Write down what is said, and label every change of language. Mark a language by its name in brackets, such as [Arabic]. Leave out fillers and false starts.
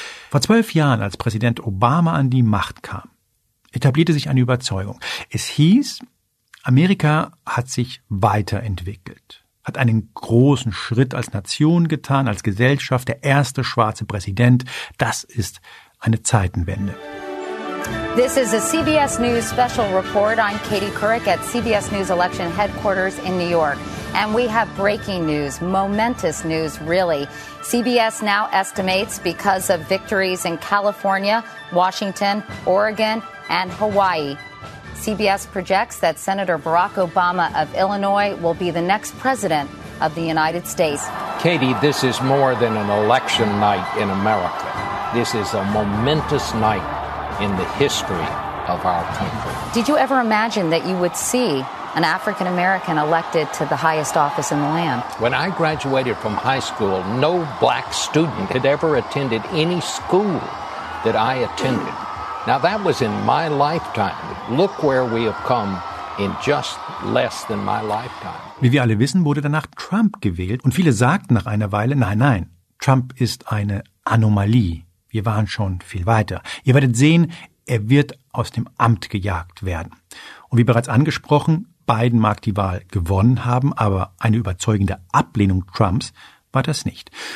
[German] Vor 12 Jahren, als Präsident Obama an die Macht kam, etablierte sich eine Überzeugung. Es hieß, Amerika hat sich weiterentwickelt, hat einen großen Schritt als Nation getan, als Gesellschaft, der erste schwarze Präsident. Das ist eine Zeitenwende. [English] This is a CBS News special report. I'm Katie Couric at CBS News Election Headquarters in New York. And we have breaking news, momentous news, really. CBS now estimates, because of victories in California, Washington, Oregon, and Hawaii, CBS projects that Senator Barack Obama of Illinois will be the next president of the United States. Katie, this is more than an election night in America. This is a momentous night in the history of our country. Did you ever imagine that you would see an African American elected to the highest office in the land? When I graduated from high school, no black student had ever attended any school that I attended. Now, that was in my lifetime. Look where we have come in just less than my lifetime. [German] Wie wir alle wissen, wurde danach Trump gewählt. Und viele sagten nach einer Weile, nein, nein, Trump ist eine Anomalie. Wir waren schon viel weiter. Ihr werdet sehen, er wird aus dem Amt gejagt werden. Und wie bereits angesprochen, Biden mag die Wahl gewonnen haben, aber eine überzeugende Ablehnung Trumps war das nicht.